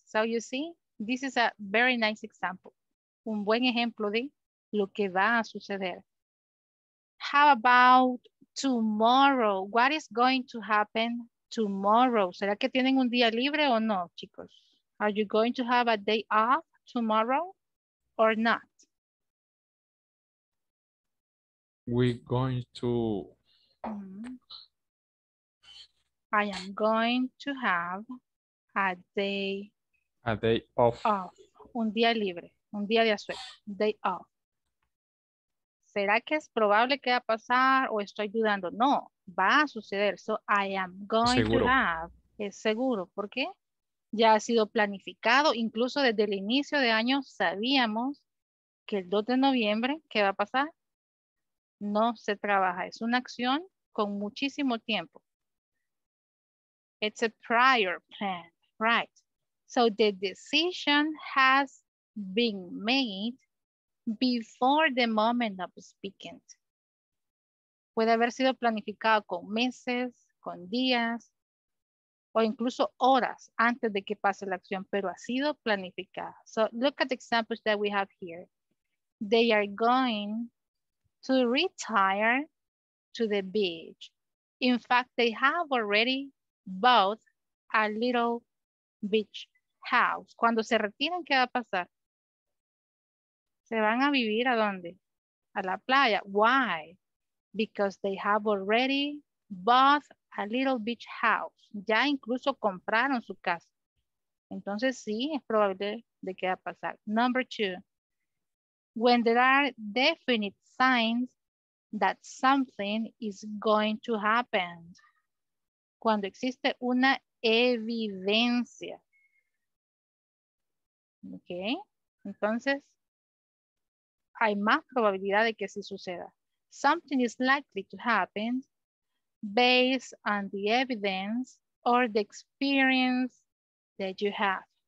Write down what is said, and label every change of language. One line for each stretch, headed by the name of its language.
English: So, you see, this is a very nice example.
Spanish: Un buen ejemplo de lo que va a suceder.
English: How about tomorrow? What is going to happen tomorrow?
Spanish: ¿Será que tienen un día libre o no, chicos?
English: Are you going to have a day off tomorrow or not? We're going to. I am going to have a day. A day off.
Spanish: Off. Un día libre. Un día de asueto. Day off. ¿Será que es probable que va a pasar o estoy dudando? No, va a suceder.
English: So I am going to have.
Spanish: Es seguro. ¿Por qué? Ya ha sido planificado. Incluso desde el inicio de año sabíamos que el 2 de noviembre, ¿qué va a pasar? No se trabaja. Es una acción con muchísimo tiempo.
English: It's a prior plan. Right. So the decision has been made before the moment of speaking.
Spanish: Puede haber sido planificado con meses, con días, o incluso horas antes de que pase la acción, pero ha sido planificado.
English: So look at the examples that we have here. They are going to retire to the beach. In fact, they have already bought a little beach house.
Spanish: Cuando se retiren, ¿qué va a pasar? ¿Se van a vivir a dónde? A la playa. Why?
English: Because they have already bought a little beach house.
Spanish: Ya incluso compraron su casa. Entonces sí, es probable de que va a pasar.
English: Number two. When there are definite signs that something is going to happen.
Spanish: Cuando existe una evidencia.
English: Ok.
Spanish: Entonces, hay más probabilidad de que sí suceda.
English: something is likely to happen based on the evidence or the experience that you have.